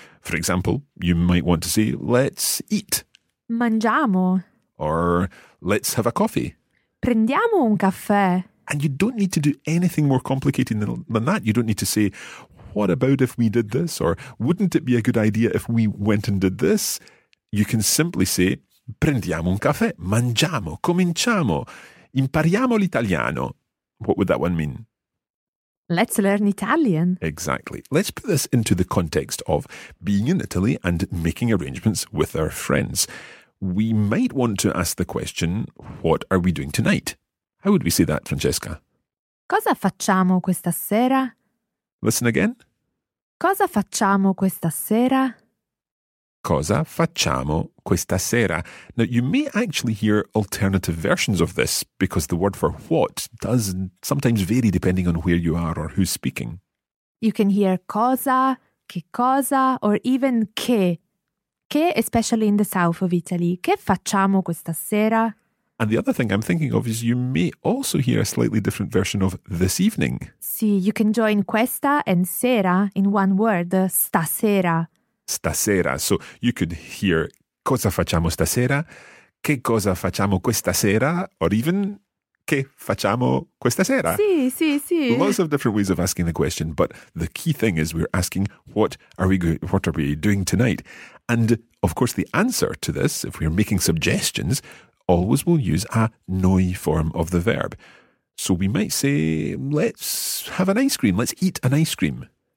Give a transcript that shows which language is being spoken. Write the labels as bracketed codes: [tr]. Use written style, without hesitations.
[en] For example, you might want to say, let's eat. [it] Mangiamo. [en] Or let's have a coffee. [it] Prendiamo un caffè. [en] And you don't need to do anything more complicated than that. You don't need to say, what about if we did this? Or wouldn't it be a good idea if we went and did this? You can simply say, [it] prendiamo un caffè. Mangiamo. Cominciamo. Impariamo l'italiano. [en] What would that one mean? Let's learn Italian. Exactly. Let's put this into the context of being in Italy and making arrangements with our friends. We might want to ask the question, what are we doing tonight? How would we say that, Francesca? [it] Cosa facciamo questa sera? [en] Listen again. [it] Cosa facciamo questa sera? Cosa facciamo questa sera? [en] Now, you may actually hear alternative versions of this because the word for what does sometimes vary depending on where you are or who's speaking. You can hear cosa, che cosa, or even che. Che, especially in the south of Italy. [it] Che facciamo questa sera? [en] And the other thing I'm thinking of is you may also hear a slightly different version of this evening. Sì, you can join questa and sera in one word, stasera. [it] Stasera. [en] So you could hear [it] cosa facciamo stasera, che cosa facciamo questa sera, [en] or even [it] che facciamo questa sera. Sì, sì, sì. [en] Lots of different ways of asking the question, but the key thing is we're asking what are we doing tonight? And of course, the answer to this, if we're making suggestions, always will use a noi form of the verb. So we might say, let's have an ice cream, let's eat an ice cream.